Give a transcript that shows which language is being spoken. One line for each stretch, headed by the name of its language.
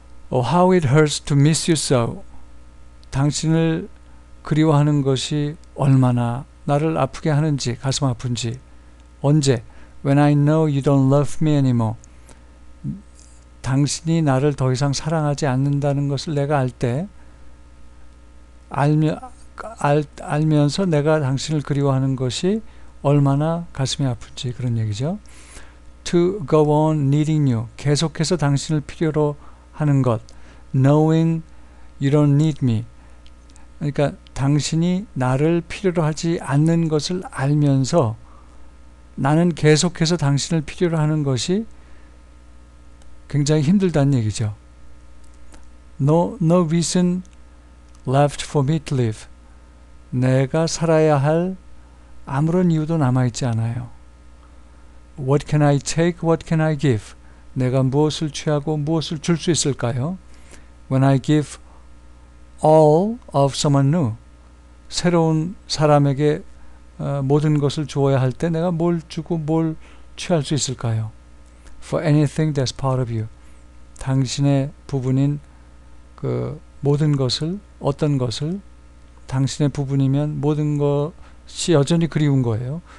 English: Oh, how it hurts to miss you so.
Korean: 당신을 그리워하는 것이 얼마나 나를 아프게 하는지, 가슴 아픈지. 언제?
English: When I know you don't love me anymore.
Korean: 당신이 나를 더 이상 사랑하지 않는다는 것을 내가 알 때, 알면서 내가 당신을 그리워하는 것이 얼마나 가슴이 아픈지 그런 얘기죠.
English: To go on needing you.
Korean: 계속해서 당신을 필요로 하는 것.
English: Knowing you don't need me.
Korean: 그러니까 당신이 나를 필요로 하지 않는 것을 알면서 나는 계속해서 당신을 필요로 하는 것이 굉장히 힘들다는 얘기죠.
English: No reason left for me to live.
Korean: 내가 살아야 할 아무런 이유도 남아있지 않아요.
English: What can I take? What can I give?
Korean: 내가 무엇을 취하고 무엇을 줄수 있을까요?
English: When I give all of someone new,
Korean: 새로운 사람에게 모든 것을 주어야 할때 내가 뭘 주고 뭘 취할 수 있을까요?
English: For anything that's part of you.
Korean: 당신의 부분인 그 모든 것을, 어떤 것을, 당신의 부분이면 모든 것이 여전히 그리운 거예요.